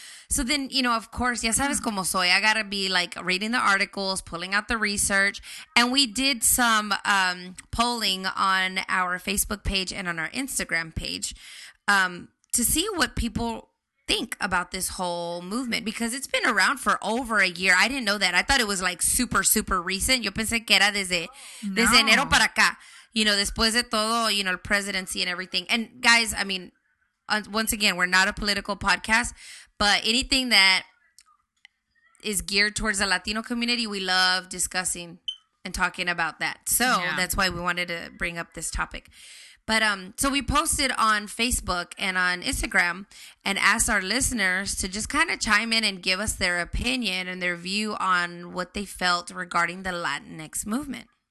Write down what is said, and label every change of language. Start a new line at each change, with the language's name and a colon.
English: So then, you know, of course,
Spanish: ya sabes como soy.
English: I gotta be, like, reading the articles, pulling out the research. And we did some polling on our Facebook page and on our Instagram page to see what people think about this whole movement. Because it's been around for over a year. I didn't know that. I thought it was, like, super, super recent.
Spanish: Yo pensé que era desde enero para acá.
English: You know,
Spanish: después de todo,
English: you know, el presidency and everything. And, guys, I mean, once again, we're not a political podcast. But anything that is geared towards the Latino community, we love discussing and talking about that. So yeah. That's why we wanted to bring up this topic. But so we posted on Facebook and on Instagram and asked our listeners to just kind of chime in and give us their opinion and their view on what they felt regarding the Latinx movement.